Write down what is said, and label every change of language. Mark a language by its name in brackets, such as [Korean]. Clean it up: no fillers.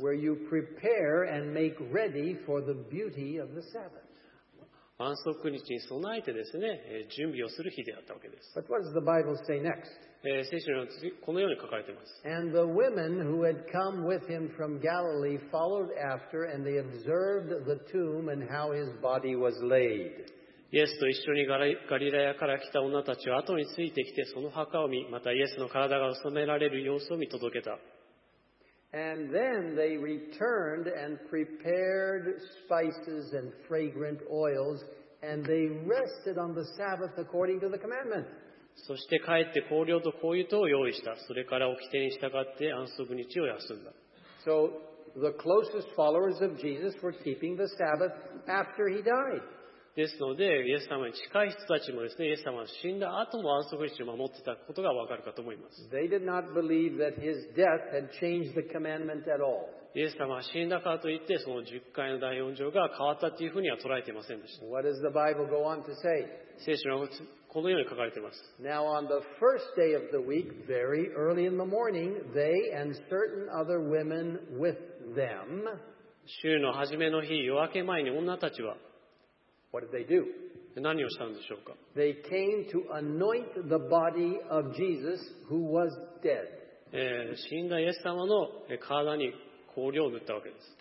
[English] Where you prepare and make ready for the beauty of the Sabbath. [Japanese] 安息日に備えてですね、準備をする日であったわけです。 [English] But what does the Bible say next? [Japanese] 聖書にはこのように書かれています。 [English] And the women who had come with him from Galilee followed after, and they observed the tomb and how his body was laid. [Japanese] イエスと一緒にガリラヤから来た女たちは後についてきてその墓を見、またイエスの体が納められる様子を見届けた。 [English] And then they returned and prepared spices and fragrant oils, and they rested on the Sabbath according to the commandment. [Japanese] そして帰って香料と香油とを用意した。それから掟に従って安息日を休んだ。 [English] So the closest followers of Jesus were keeping the Sabbath after he died. [Japanese] ですので、イエス様に近い人たちもですね、イエス様は死んだ後も安息日を守っていたことがわかるかと思います。 [English] They did not believe that his death had changed the commandment at all. [Japanese] イエス様は死んだからといって、その十回の第四条が変わったというふうには捉えていませんでした。 [English] What does the Bible go on to say? [Japanese] 聖書はこのように書かれています。 [English] Now on the first day of the week, very early in the morning, they and certain other women with them, [Japanese] 週の初めの日、夜明け前に女たちは、 [English] What did they do? [Japanese] 何をしたんでしょうか? [English] They came to anoint the body of Jesus who was dead. [Japanese] 死んだイエス様の体に香料を塗ったわけです。